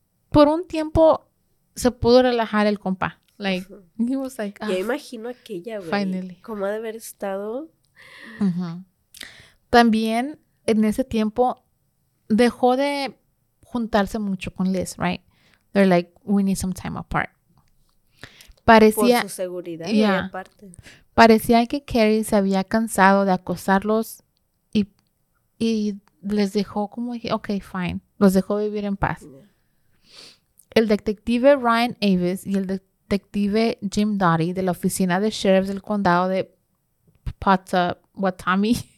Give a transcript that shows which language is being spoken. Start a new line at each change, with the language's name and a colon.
Spanish: Por un tiempo se pudo relajar el compa, like, uh-huh.
English: He was like,
Spanish: ya imagino aquella, güey. Finally. ¿Cómo ha de haber estado? Uh-huh. También en ese tiempo dejó de juntarse mucho con Liz, right?
English: They're like, we need some time apart.
Spanish: Parecía, por su seguridad, yeah, y aparte. Parecía que Carrie se había cansado de acosarlos y les dejó como, ok, fine, los dejó vivir en paz. El detective Ryan Avis y el detective Jim Doughty de la oficina de sheriffs del condado de Pottawatomi,